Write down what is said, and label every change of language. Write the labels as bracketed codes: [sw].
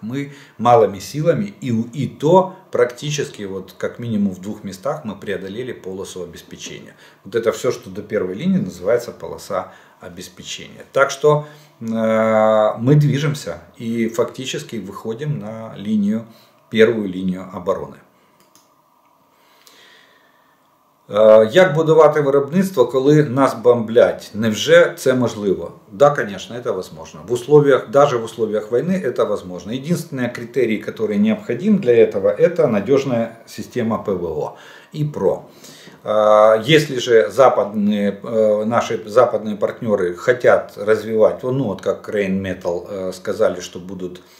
[ru] Мы малыми силами, и то практически вот как минимум в двух местах мы преодолели полосу обеспечения. Вот это все, что до первой линии, называется полоса обеспечения. Так что мы движемся и фактически выходим на линию, первую линию обороны. [uk] Як будувати виробництво, коли нас бомблять? Невже це можливо? [ru] Да, конечно, это возможно. В условиях, даже в условиях войны это возможно. Единственный критерий, который необходим для этого, это надежная система ПВО и ПРО. Если же наши западные партнеры хотят развивать, ну вот как Rheinmetall сказали, что будут...